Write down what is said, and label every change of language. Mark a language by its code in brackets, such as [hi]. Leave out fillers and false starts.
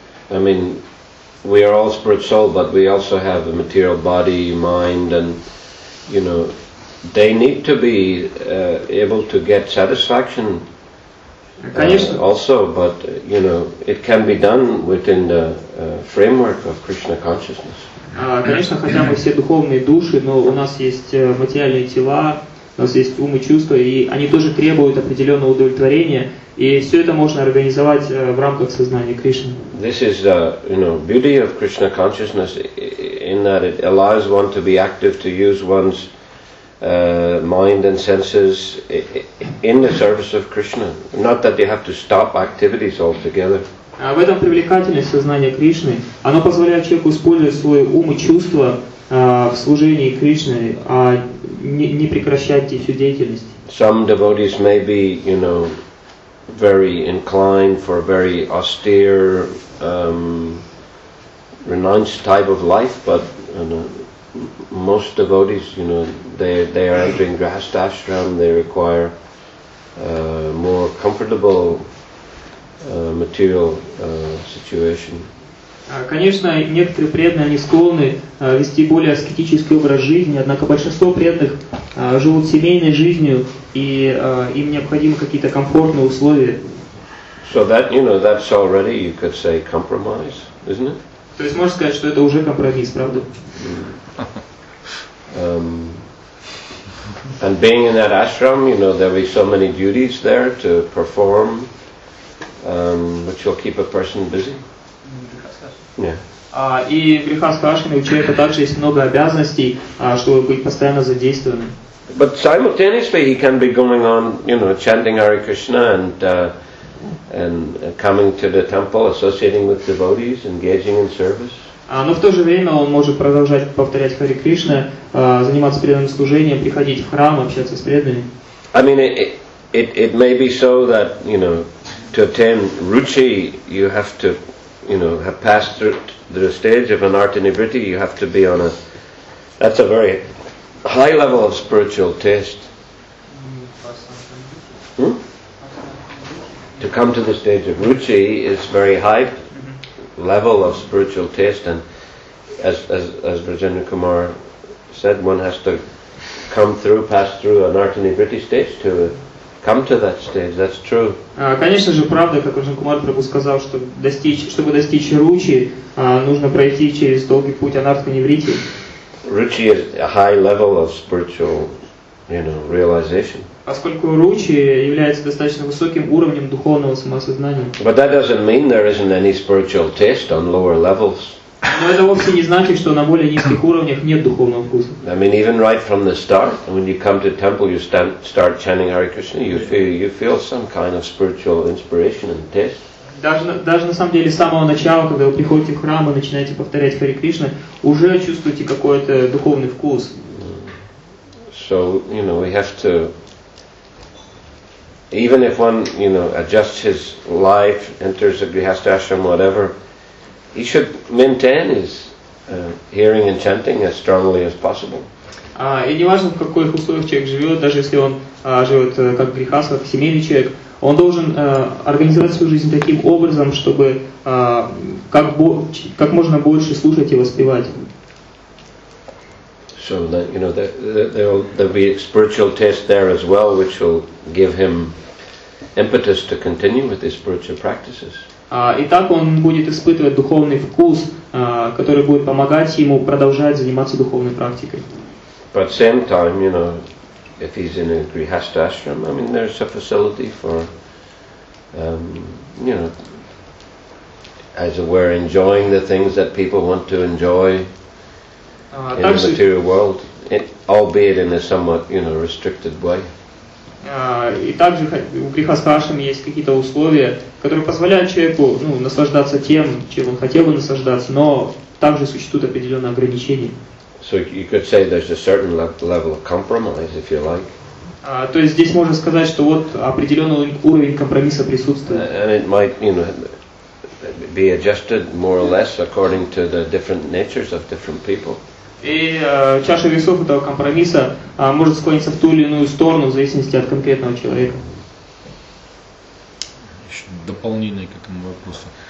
[en] I mean, we are all spirit soul, but we also have a material body, mind, and, you know, they need to be able to get satisfaction. [ru] Конечно. [en] Also, but you know, it can be done within the framework of Krishna consciousness. [ru] Конечно, хотя мы все духовные души, но у нас есть материальные тела, у нас есть ум и чувства, и они тоже требуют определенного удовлетворения, и все это можно организовать в рамках сознания Кришны. [en] This is the, you know, beauty of Krishna consciousness in that it allows one to be active, to use one's mind and senses in the service of Krishna. Not that you have to stop activities altogether. [ru] В этом привлекательность сознания Кришны. Оно позволяет человеку использовать свой ум и чувства в служении Кришны, а не прекращать всю деятельность. [en] Some devotees may be, you know, very inclined for a very austere, renounced type of life, but, you know, most devotees, you know, they are entering grihastha ashram. They require more comfortable material situation. [ru] Конечно, некоторые преданные они склонны вести более аскетический образ жизни. Однако большинство преданных живут семейной жизнью, и им необходимы какие-то комфортные условия. [en] So that, you know, that's already, you could say, compromise, isn't it? [ru] То есть можно сказать, что это уже компромисс, правда? [en] And being in that ashram, you know, there will be so many duties there to perform, which will keep a person busy. [ru] И в грихастха ашраме у человека также есть много обязанностей, чтобы быть постоянно задействованным. [en] But simultaneously, he can be going on, you know, chanting Hare Krishna and coming to the temple, associating with devotees, engaging in service. [ru] Но в то же время он может продолжать повторять Хари Кришна, заниматься преданным служением, приходить в храм, общаться с преданными. [en] I mean, it may be so that, you know, to attain ruchi, you have to, you know, have passed through the stage of anartha nivritti. You have to be on a, that's a very high level of spiritual taste. To come to the stage of ruchi is very high level of spiritual taste, and as Vrajendra Kumar said, one has to come through, pass through an artani vritti stage to come to that stage. That's true. [ru] Конечно же, правда, как Раджан Кумар Прабху сказал, что чтобы достичь ручи, нужно пройти через долгий путь анартхани вритти. [en] Ручи is a high level of spiritual, you know, realization. [ru] Поскольку ручи является достаточно высоким уровнем духовного самосознания. [en] But that doesn't mean there isn't any spiritual taste on lower levels. [ru] Но это вовсе не значит, что на более низких уровнях нет духовного вкуса. [en] I mean, even right from the start, when you come to the temple, you start chanting Hare Krishna, you feel some kind of spiritual inspiration and taste. [ru] Даже на самом деле с самого начала, когда вы приходите в храм и начинаете повторять Харе Кришна, уже чувствуете какой-то духовный вкус. [en] So, you know, we have to, even if one, you know, adjusts his life, enters a grihastha ashram, whatever, he should maintain his hearing and chanting as strongly as possible. [ru] И неважно, в каких условиях человек живет, даже если он живет как грехаса, как семейный человек, он должен организовать свою жизнь таким образом, чтобы как можно больше слушать и воспевать. [en] So that, you know, there'll be a spiritual test there as well, which will give him impetus to continue with his spiritual practices. [ru] И так он будет испытывать духовный вкус, который будет помогать ему продолжать заниматься духовной практикой. [en] But at the same time, you know, if he's in a grihastha ashram, I mean, there's a facility for, you know, as it were, enjoying the things that people want to enjoy in the material world, albeit in a somewhat, you know, restricted way. [ru] И также у грихастха ашрама есть какие-то условия, которые позволяют человеку, ну, наслаждаться тем, чем он хотел бы наслаждаться, но также существуют определенные ограничения. [en] So you could say there's a certain level of compromise, if you like. [ru] То есть здесь можно сказать, что вот определенный уровень компромисса присутствует. [en] And it might, you know, be adjusted more or less according to the different natures of different people. [ru] И чаша весов этого компромисса может склониться в ту или иную сторону в зависимости от конкретного человека. Еще дополнение к этому вопросу.